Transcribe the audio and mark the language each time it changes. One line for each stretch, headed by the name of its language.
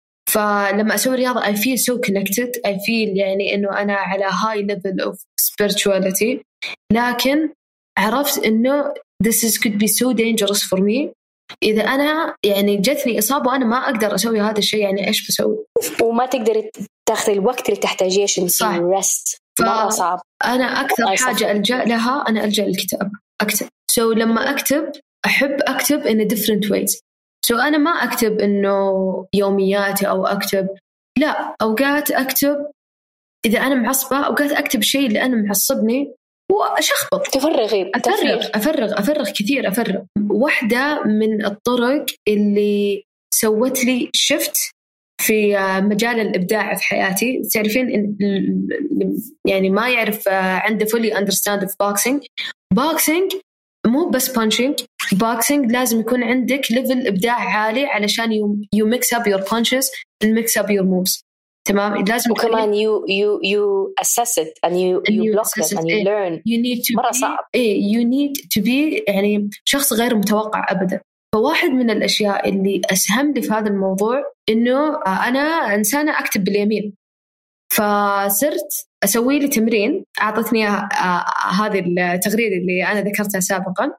Arabic: فلما أسوي رياضة
English: I feel so connected. I feel
Arabic: يعني إنه أنا على
English: high level of spirituality.
Arabic: لكن عرفت إنه
English: this is could be so dangerous for me
Arabic: إذا أنا يعني جتني إصابة وأنا ما أقدر أسوي هذا الشيء. يعني إيش بسوي؟ وما تقدر تأخذ الوقت اللي تحتاجيه عشان تسوي rest. صعب. أنا أكثر حاجة ألجأ لها أنا ألجأ للكتاب. أكتب.
English: So
Arabic: لما أكتب أحب أكتب
English: in a different ways.
Arabic: So أنا ما أكتب إنه يومياتي أو أكتب, لا أوقات أكتب إذا أنا معصبة, أوقات أكتب شيء اللي أنا معصبني وأشخبط. تفرغي. أفرغ. أفرغ أفرغ كثير أفرغ. واحدة من الطرق اللي سوت لي شفت في مجال الإبداع في حياتي, تعرفين يعني ما يعرف عنده
English: fully understand of boxing.
Arabic: Boxing مو بس punching.
English: Boxing
Arabic: لازم يكون عندك level إبداع عالي علشان
English: you mix up your punches and mix up your moves.
Arabic: تمام. لازم وكمان
English: you assess it and you block it and you learn. You need to
Arabic: مرة
English: be,
Arabic: صعب. إيه
English: you need to be
Arabic: يعني شخص غير متوقع أبدا. فواحد من الأشياء اللي أسهم لي في هذا الموضوع إنه أنا إنسانة أكتب باليمين, فصرت أسوي لي تمرين أعطتني هذه التغريدة اللي أنا ذكرتها سابقا.